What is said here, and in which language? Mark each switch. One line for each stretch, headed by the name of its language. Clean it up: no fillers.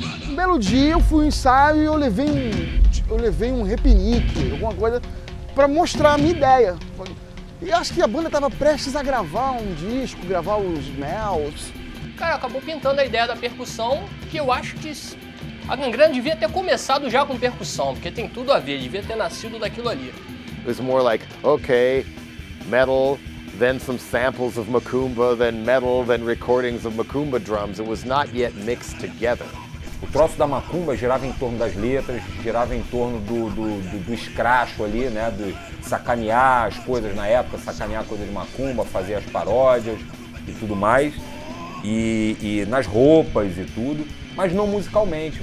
Portuguese: Um belo dia eu fui ao ensaio e eu levei um repinique, alguma coisa, pra mostrar a minha ideia. E acho que a banda tava prestes a gravar um disco, gravar os Mels. Cara, acabou pintando a ideia da percussão, que eu acho que a Gangrena devia ter começado já com percussão, porque tem tudo a ver, devia ter nascido daquilo ali.
English: It was more like, okay, metal, then some samples of Macumba, then metal, then recordings of Macumba drums. It was not yet mixed together.
Portuguese: O troço da macumba girava em torno das letras, girava em torno do escracho ali, né, de sacanear as coisas na época, sacanear coisas de macumba, fazer as paródias e tudo mais, e nas roupas e tudo, mas não musicalmente.